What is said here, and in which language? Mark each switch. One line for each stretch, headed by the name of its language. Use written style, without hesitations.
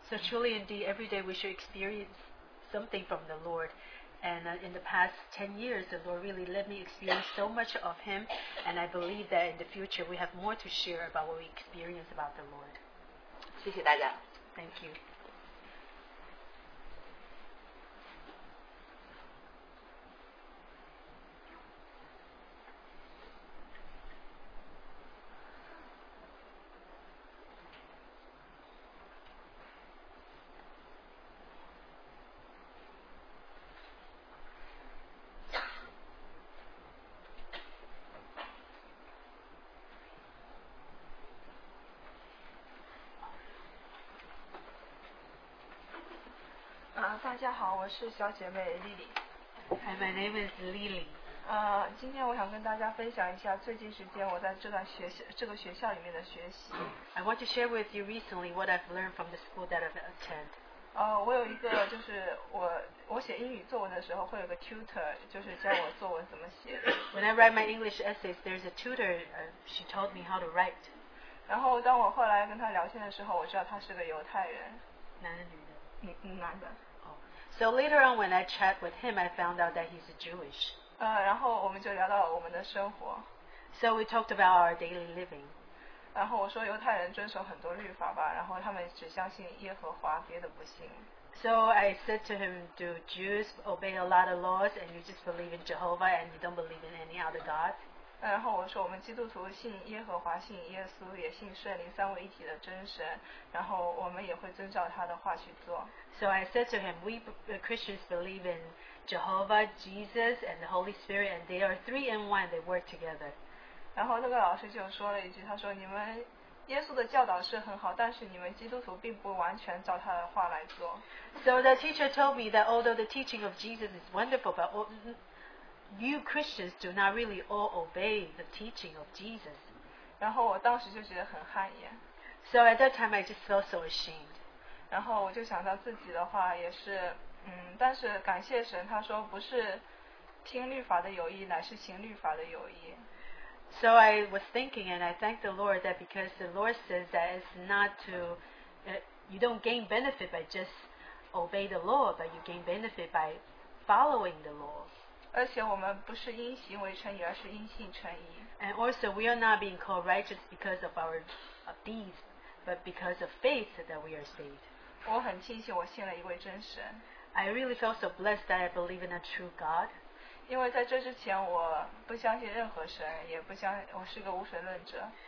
English: So truly, indeed, every day we should experience something from the Lord. And in the past 10 years, the Lord really let me experience so much of Him, and I believe that in the future, we have more to share about what we experience about the Lord.
Chinese: 谢谢大家。
English: Thank you. Hi, my name is Lily.
Chinese: 今天我想跟大家分享一下最近时间我在这个学校里面的学习。
English: I want to share with you recently what I've learned from the school that I've attended.
Chinese: 我有一个就是我写英语作文的时候会有个 tutor 就是教我作文怎么写。
English: When I write my English essays, there's a tutor. She told me how to write.
Chinese: 然后当我后来跟他聊天的时候，我知道他是个犹太人。男的女的？男的。
English: So later on when I chat with him, I found out that he's a Jewish.
Chinese: 然后我们就聊到了我们的生活。
English: So we talked about our daily living.
Chinese: 然后我说犹太人遵守很多律法吧，然后他们只相信耶和华，别的不信。
English: So I said to him, do Jews obey a lot of laws and you just believe in Jehovah and you don't believe in any other God?
Chinese: 然后我说我们基督徒信耶和华，信耶稣，也信圣灵三位一体的真神，然后我们也会遵照他的话去做。
English: So I said to him, we Christians believe in Jehovah, Jesus, and the Holy Spirit, and they are three in one, they work together.
Chinese: 然后那个老师就说了一句，他说你们耶稣的教导是很好，但是你们基督徒并不完全照他的话来做。
English: So the teacher told me that although the teaching of Jesus is wonderful, but you Christians do not really all obey the teaching of Jesus.
Chinese: 然后我当时就觉得很汗颜。
English: So at that time, I just felt so ashamed.
Chinese: 然后我就想到自己的话也是但是感谢神他说不是听律法的有益乃是行律法的有益。
English: So I was thinking, and I thank the Lord that because the Lord says that it's not to, you don't gain benefit by just obey the law, but you gain benefit by following the law. And also, we are not being called righteous because of our deeds, but because of faith that we are saved.
Chinese: 我很庆幸我信了一位真神。
English: I really felt so blessed that I believe in a true God.
Chinese: 因为在这之前我不相信任何神，也不相，我是个无神论者。